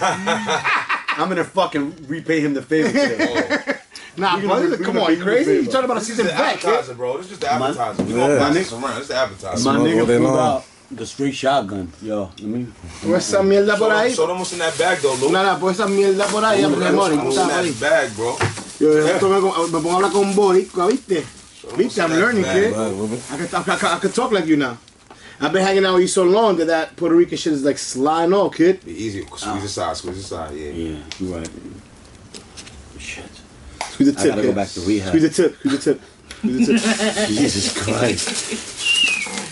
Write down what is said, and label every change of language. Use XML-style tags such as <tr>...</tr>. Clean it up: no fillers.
<en>I'm going to fucking repay him the favor today. Oh. Nah, come on, you crazy? You talking about a season back, kid? This is the appetizer, bro. This is the appetizer. My nigga pulled out the straight shotgun. Yo, let me...</en> <es>Where's some mierda por ahí?</es> <en>Show them what's in that bag, though, Luke.</en> <es>Nah, pues esa mierda por ahí.</es> <en>What's in that bag, bro?</en> <es>Yo, esto me pongo a hablar con Boricua, viste?</es> <en>Viste, I'm learning, kid. I can talk like you now. I've been hanging out with you so long that Puerto Rican shit is like sliding off, kid. Be easy. Squeeze the side. Yeah. Yeah. You're right. Shit. Squeeze the tip. I gotta go back to rehab. Squeeze the tip. Jesus Christ.</en>